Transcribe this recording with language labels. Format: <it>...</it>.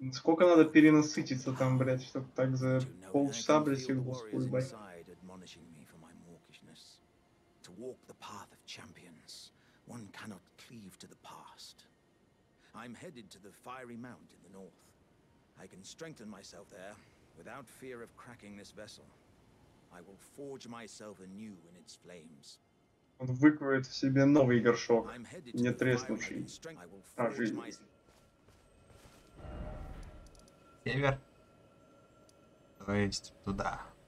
<ru>Сколько надо перенасытиться там, блядь, чтобы так за полчаса, блядь, всех боссов убивать?</ru> <en>Admonishing me for my mawkishness. To walk the path of champions. One cannot cleave to the past. I'm headed to the fiery mount in the north. I can strengthen myself there without fear of cracking this vessel. I will forge myself anew in its flames.</en> <ru>Он выкроет в себе новый горшок, не треснувший. А жизнь. Север. То есть туда.</ru>